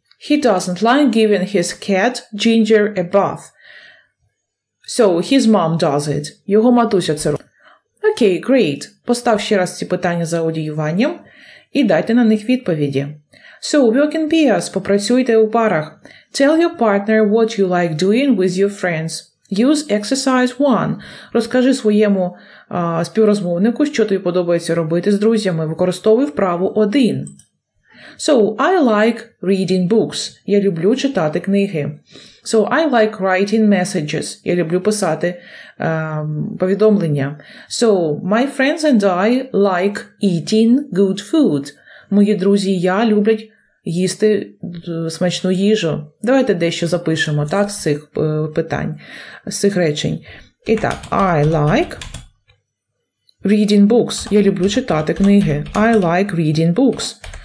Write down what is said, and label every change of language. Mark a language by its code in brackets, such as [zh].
[en] He doesn't like giving his cat Ginger a bath. So, his mom does it. [uk] Його матуся це робить. [en] Окей, great. [uk] Постав ще раз ці питання за аудіюванням і дайте на них відповіді. [en] So, work in pairs. [uk] Попрацюйте у парах. [en] Tell your partner what you like doing with your friends. Use exercise 1. [uk] Розкажи своєму співрозмовнику, що тобі подобається робити з друзями. Використовуй вправу 1. [en] So, I like reading books. [uk] Я люблю читати книги. [en] So, I like writing messages. [uk] Я люблю писати повідомлення. [en] So, my friends and I like eating good food. [uk] Мої друзі і я люблять їсти смачну їжу. Давайте дещо запишемо, так, з цих питань, з цих речень. [en] І так, I like reading books. [uk] Я люблю читати книги. [en] I like reading books.